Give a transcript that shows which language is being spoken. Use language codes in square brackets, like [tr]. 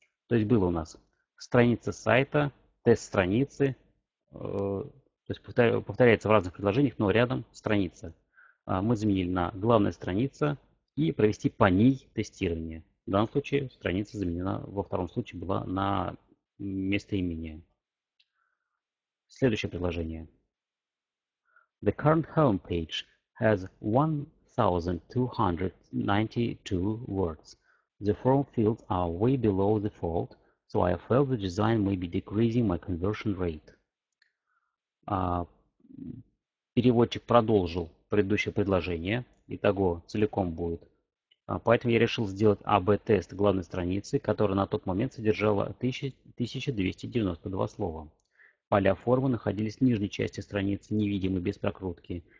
[ru] То есть было у нас страница сайта, тест страницы, то есть повторяется в разных предложениях, но рядом страница. Мы заменили на главная страница и провести по ней тестирование. В данном случае страница заменена, во втором случае была на местоимение. Следующее предложение. [en] The current homepage has 1292 words. The form fields are way below the default, so I felt the design may be decreasing my conversion rate. [ru] Переводчик продолжил предыдущее предложение. Итого целиком будет. Поэтому я решил сделать АБ-тест главной страницы, которая на тот момент содержала 1292 слова. Поля формы находились в нижней части страницы, невидимы без прокрутки.